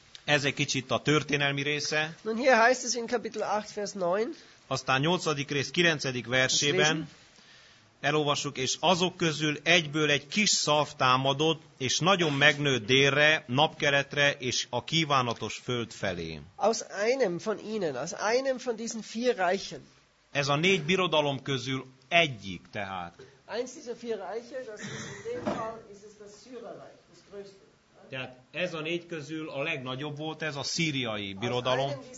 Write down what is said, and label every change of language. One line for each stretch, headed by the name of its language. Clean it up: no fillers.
Hungarian: Ez egy kicsit a történelmi része.
German: Nun hier heißt es in Kapitel 8 Vers 9.
Hungarian: Aztán 8. rész 9. versében elolvassuk, és azok közül egyből egy kis szav támadott, és nagyon megnőtt délre, napkeletre és a kívánatos föld felé.
German: Aus einem von ihnen, aus einem von diesen vier Reichen.
Hungarian: Ez a négy birodalom közül egyik, tehát.
German: Eins dieser vier Reiche, das ist in dem Fall ist es das Syrerreich, das größte.
Hungarian: Tehát ez a négy közül a legnagyobb volt, ez a szíriai birodalom.